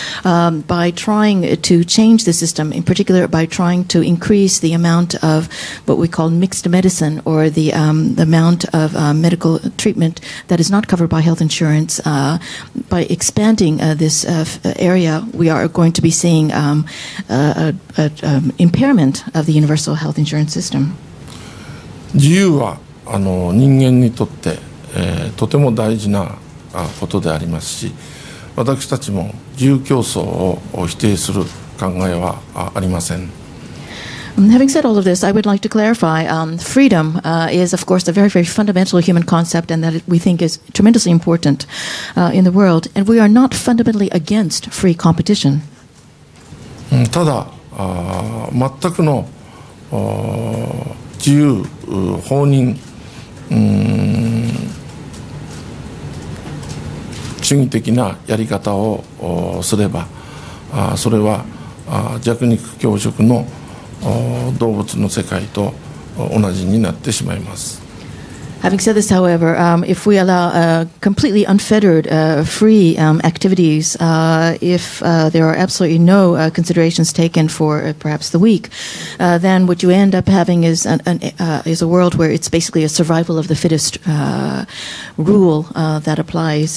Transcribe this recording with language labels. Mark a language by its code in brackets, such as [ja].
[en] by trying to change the system, in particular by trying to increase the amount of what we call mixed medicine, or the amount of medical treatment that is not covered by health insurance, by expanding this area, we are going to be seeing impairment of the universal health insurance system. [ja] 自由は人間にとって、とても大事なことでありますし、私たちも自由競争を否定する考えはありません。 [en] Having said all of this, I would like to clarify freedom is, of course, a very, very fundamental human concept, and that we think is tremendously important in the world. And we are not fundamentally against free competition. [ja] ただ、全くの自由放任主義的なやり方をすれば、それは弱肉強食の動物の世界と同じになってしまいます。 [en] Having said this, however, if we allow completely unfettered free activities, if there are absolutely no considerations taken for perhaps the weak, then what you end up having is is a world where it's basically a survival of the fittest rule that applies.